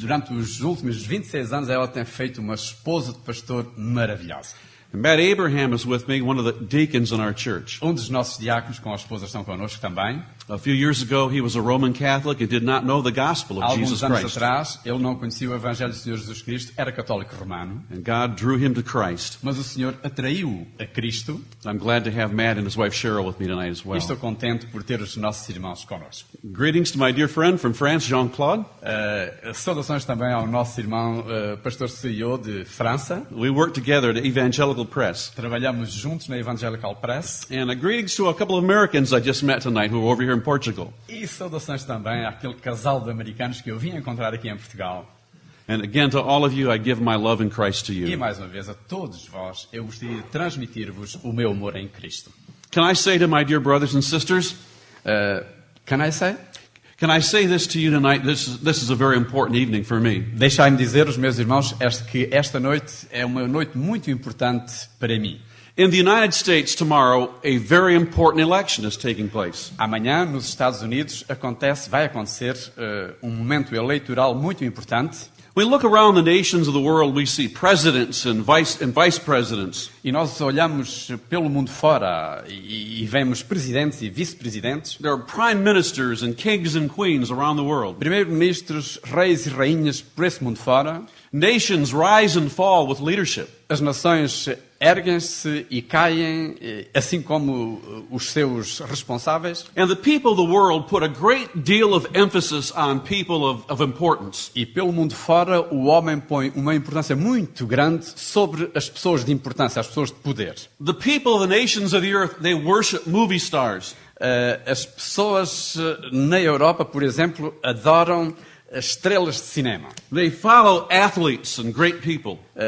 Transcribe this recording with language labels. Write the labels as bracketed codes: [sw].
[pt] Durante os últimos 26 anos, ela tem feito uma esposa de pastor maravilhosa. [en] And Matt Abraham is with me, one of the deacons in our church. [pt] Um dos nossos diáconos com a esposa estão conosco também. [en] A few years ago, he was a Roman Catholic and did not know the gospel of [pt] Alguns [en] Jesus [pt] anos [en] Christ. [pt] Atrás, ele não conhecia o evangelho do Senhor Jesus Cristo, era católico romano. [en] And God drew him to Christ. [pt] Mas o Senhor atraiu a Cristo. [en] I'm glad to have Matt and his wife Cheryl with me tonight as well. [pt] E estou contente por ter os nossos irmãos conosco. [en] Greetings to my dear friend from France, Jean-Claude. [pt] Saudações também ao nosso irmão pastor CEO de França. [en] We work together at Evangelical Press. [pt] Trabalhamos juntos na Evangelical Press. [en] And a greetings to a couple of Americans I just met tonight who are over here in Portugal. [pt] E saudações também àquele casal de americanos que eu vim encontrar aqui em Portugal. [en] And again to all of you, I give my love in Christ to you. [pt] E mais uma vez a todos vós, eu gostaria de transmitir-vos o meu amor em Cristo. [en] Can I say to my dear brothers and sisters? Can I say this to you tonight? This is a very important evening for me. [pt] Deixai-me dizer aos meus irmãos que esta noite é uma noite muito importante para mim. [en] In the United States tomorrow, a very important election is taking place. [pt] Amanhã, nos Estados Unidos, vai acontecer um momento eleitoral muito importante. [en] We look around the nations of the world, we see presidents and vice presidents. [pt] E nós olhamos pelo mundo fora e vemos presidentes e vice-presidentes. [en] There are prime ministers and kings and queens around the world. [pt] Primeiros-ministros, reis e rainhas por esse mundo fora. [en] Nations rise and fall with leadership. [pt] As nações erguem-se e caem, assim como os seus responsáveis. [en] And the people of the world put a great deal of emphasis on people of importance. [pt] E pelo mundo fora, o homem põe uma importância muito grande sobre as pessoas de importância, as pessoas de poder. [en] The people of the nations of the earth, they worship movie stars. [pt] As pessoas na Europa, por exemplo, adoram estrelas de cinema. [en] They follow athletes and great people.